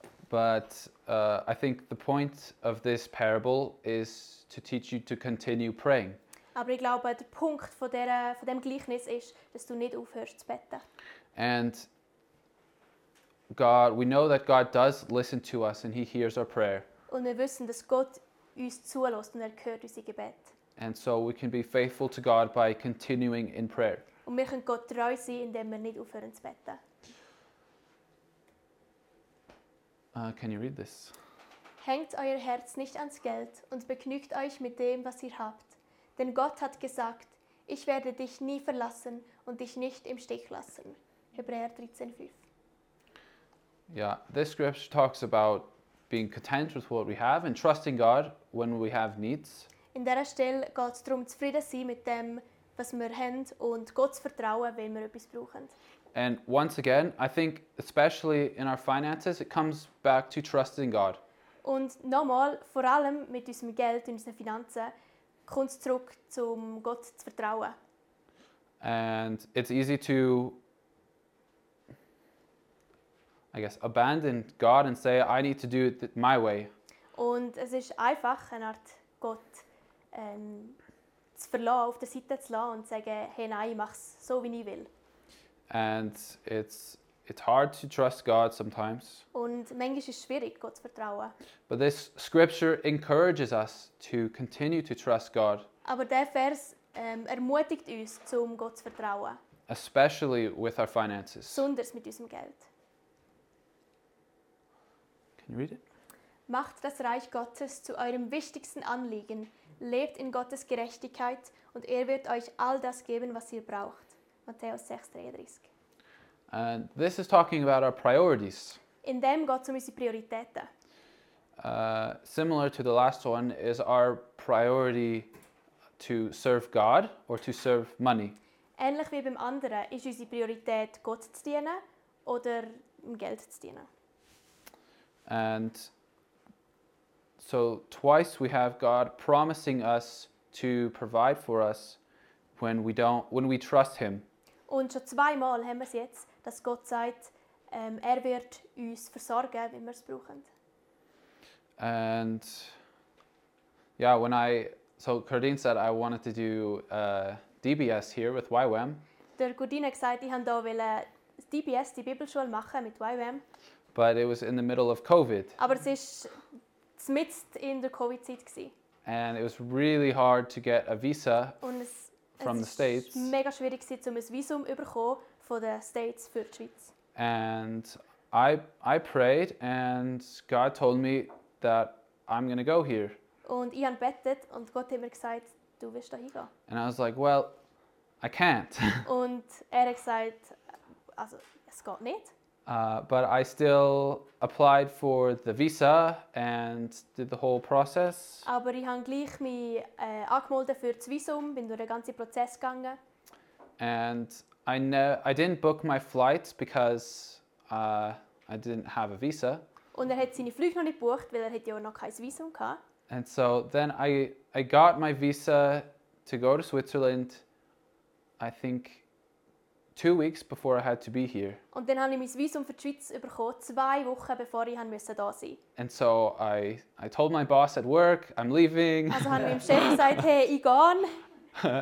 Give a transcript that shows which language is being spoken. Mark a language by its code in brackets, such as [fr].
[en] But I think the point of this parable is to teach you to continue praying. [de] Aber ich glaube, der Punkt von dem Gleichnis ist, dass du nicht aufhörst zu beten. [en] And God, we know that God does listen to us and he hears our prayer. [de] Und wir wissen, dass Gott uns zulässt und hört unsere Gebete. [en] And so we can be faithful to God by continuing in prayer. [de] Und wir können Gott treu sein, indem wir nicht aufhören zu beten. [en] Can you read this? [de] Hängt euer Herz nicht ans Geld und begnügt euch mit dem, was ihr habt. Denn Gott hat gesagt, ich werde dich nie verlassen und dich nicht im Stich lassen. Hebräer 13,5. [en] Yeah, this scripture talks about being content with what we have and trusting God when we have needs. [de] In dieser Stelle geht es darum, zufrieden zu sein mit dem, was wir haben und Gott zu vertrauen, wenn wir etwas brauchen. [en] And once again, I think especially in our finances, it comes back to trusting God. [de] Und nochmal, vor allem mit unserem Geld und unseren Finanzen, kommt es zurück, um Gott zu vertrauen. [en] And it's easy to, I guess, abandon God and say, I need to do it my way. [de] Und es ist einfach, eine Art Gott zu verlassen, auf der Seite zu lassen und zu sagen, hey, nein, ich mach's so, wie ich will. [en] And it's hard to trust God sometimes. [de] Und manchmal ist es schwierig, Gott zu vertrauen. [en] But this scripture encourages us to continue to trust God. [de] Aber der Vers ermutigt uns, um Gott zu vertrauen. [en] Especially with our finances. [de] Besonders mit unserem Geld. [en] Can you read it? [de] Macht das Reich Gottes zu eurem wichtigsten Anliegen. Lebt in Gottes Gerechtigkeit und er wird euch all das geben, was ihr braucht. Matthäus 6,33. [en] And this is talking about our priorities. [de] In dem geht es um unsere Prioritäten. [en] Similar to the last one is our priority to serve God or to serve money. [de] Ähnlich wie beim anderen ist unsere Priorität, Gott zu dienen oder Geld zu dienen. [en] And so twice we have God promising us to provide for us when we trust him. [de] Und schon zweimal haben wir es jetzt, dass Gott sagt, er wird uns versorgen, wenn wir es brauchen. [en] And yeah, Cardine said I wanted to do DBS here with YWAM. [de] Der Cardine gesagt, ich wollte hier DBS, die Bibelschule, machen mit YWAM. [en] But it was in the middle of COVID. [de] Aber es ist mitten in der Covid-Zeit gsi. [en] And it was really hard to get a visa from the States. [de] Es war mega schwierig gsi, um ein Visum überkommen von den States für die Schweiz. [en] And I prayed and God told me that I'm gonna go here. [de] Und ich habe betet und Gott hat mir gesagt, du wirst da hingehen. [en] And I was like, well, I can't. [de] Und er hat gesagt, also es geht nicht. [en] But I still applied for the visa and did the whole process. [de] Aber ich habe gleich mich angemeldet für das Visum, bin durch den ganzen Prozess gegangen. [en] And I didn't book my flight because I didn't have a visa. [de] Und er hat seine Flüge noch nicht gebucht, weil er hat ja noch kein Visum gehabt. [en] And so then I got my visa to go to Switzerland, I think 2 weeks before I had to be here. [de] Und dann habe ich mein Visum für die Schweiz bekommen, 2 Wochen bevor ich hier sein musste. [en] And so I told my boss at work, I'm leaving. [de] Also habe ich meinem Chef gesagt, hey, ich gehe.